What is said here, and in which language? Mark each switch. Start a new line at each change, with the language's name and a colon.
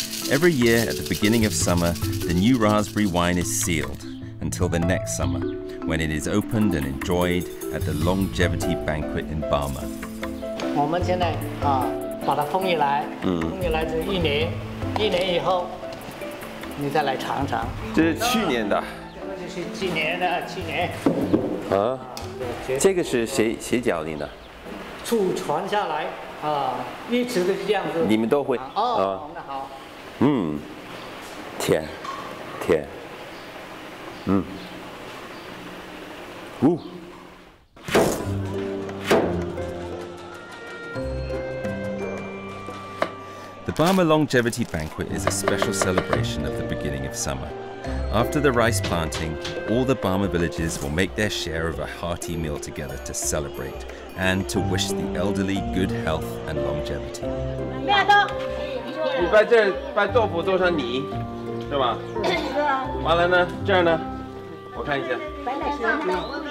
English: Every year at the beginning of summer, the new raspberry wine is sealed until the next summer, when it is opened and enjoyed at the longevity banquet in Burma.
Chinese: 我们现在把它封起来。封起来就一年，一年以后你再来尝尝。这是去年的。这是今年的，去年。这个是谁教你的？储存下来一直都是这样子。你们都会好。甜。
English: The Burma Longevity Banquet is a special celebration of the beginning of summer. After the rice planting, all the Burma villages will make their share of a hearty meal together to celebrate and to wish the elderly good health and longevity.
Chinese: 不要动。你把这把豆腐做成泥，是吧？完了呢，这儿呢，我看一下。